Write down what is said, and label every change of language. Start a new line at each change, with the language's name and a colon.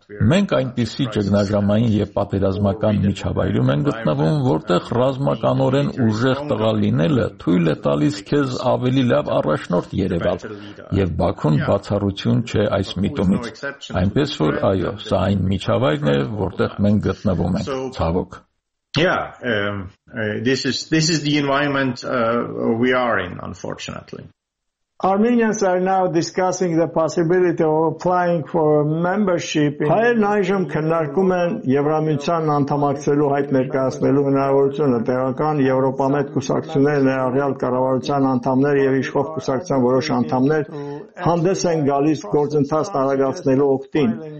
Armenian: Մենք այնպիսի ճգնաժամային և պատերազմական միջավայրում են գտնվում, որտեղ ռազմականորեն ուժեղ տղա լինելը թույլ է տալիս քեզ ավելի լավ առաջնորդ երևալ, և Բաքուն բացառություն չէ այս միտումից։ Այնպես որ, այո, սա այն միջավայրն է, որտեղ մենք գտնվում ենք, ցավոք։
English: This is the environment we are in, unfortunately. Armenians are now discussing the possibility of applying for membership in
Armenian: Հայերն այժմ քննարկում են Եվրամիության անդամակցելու հայտ ներկայացնելու հնարավորությունը, տեղական Եվրոպամետ կուսակցություններ, ներառյալ կառավարության անդամներ և իշխող կուսակցության որոշ անդամներ հանդես են գալիս գործընթաց տարագացնելու օգտին։